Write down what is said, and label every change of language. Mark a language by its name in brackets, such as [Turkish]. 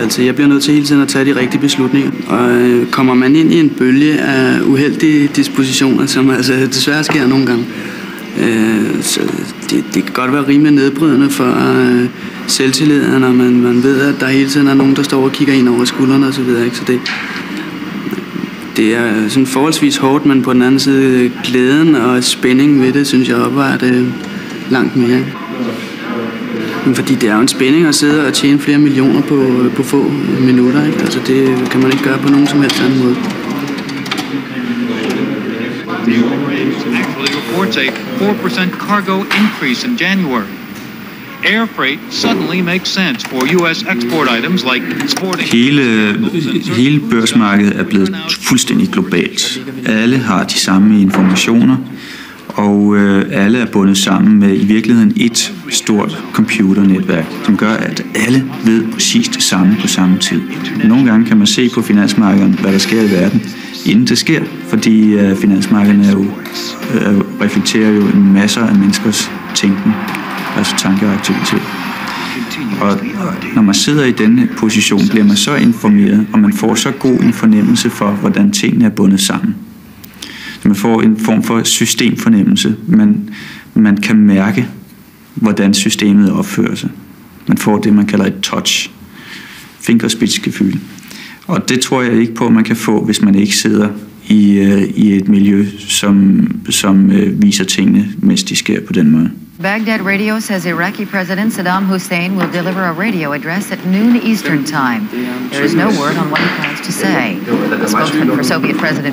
[Danish] Altså, jeg bliver nødt til hele tiden at tage de rigtige beslutninger. Og kommer man ind i en bølge af uheldige dispositioner, som altså desværre sker nogle gange, så det kan godt være rimelig nedbrydende for selvtilliden, når man ved, at der hele tiden er nogen, der står og kigger ind over skuldrene og så videre, ikke? Så det er sådan forholdsvis hårdt, men på den anden side glæden og spændingen ved det, synes jeg opvejer det langt mere. Men fordi det er jo en spænding at sidde og tjene flere millioner på få minutter, ikke? Altså det kan man ikke gøre på nogen som helst anden måde. [English] Reports a 4% cargo increase in January. Air freight suddenly makes sense for U.S. export items like sporting. [Danish] Hele børsmarkedet er blevet fuldstændig globalt. Alle har de samme informationer, og alle er bundet sammen med i virkeligheden et stort computernetværk, som gør, at alle ved præcis det samme på samme tid. Nogle gange kan man se på finansmarkedet, hvad der sker i verden, inden det sker, fordi finansmarkederne reflekterer jo en masse af menneskers tænken, altså tanke og aktivitet. Og når man sidder i denne position, bliver man så informeret, og man får så god en fornemmelse for, hvordan tingene er bundet sammen. Så man får en form for systemfornemmelse. Man kan mærke, hvordan systemet opfører sig. Man får det, man kalder et touch. Fingerspidsgefühl. Og det tror jeg ikke på, at man kan få, hvis man ikke sidder i et miljø, som viser tingene, mens de sker på den måde. [English] Baghdad Radio says Iraqi President Saddam Hussein will deliver a radio address at noon Eastern time. There is no word on what he plans to say. Spokesman for Soviet President